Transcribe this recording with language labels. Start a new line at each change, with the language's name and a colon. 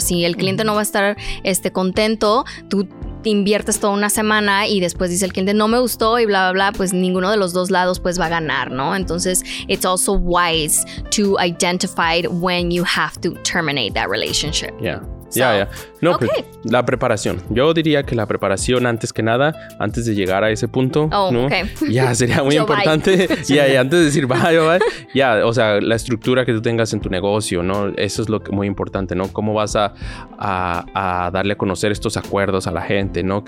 Spanish: Si el cliente no va a estar contento, tú inviertes toda una semana y después dice el cliente no me gustó y bla, bla, bla, pues ninguno de los dos lados pues va a ganar, ¿no?
English: Entonces, it's also wise to identify when you have to terminate that relationship.
Spanish: No, okay. La preparación. Yo diría que la preparación antes que nada, antes de llegar a ese punto, sería muy importante. Antes de decir o sea, la estructura que tú tengas en tu negocio, ¿no? Eso es lo que muy importante, ¿no? Cómo vas a darle a conocer estos acuerdos a la gente, ¿no?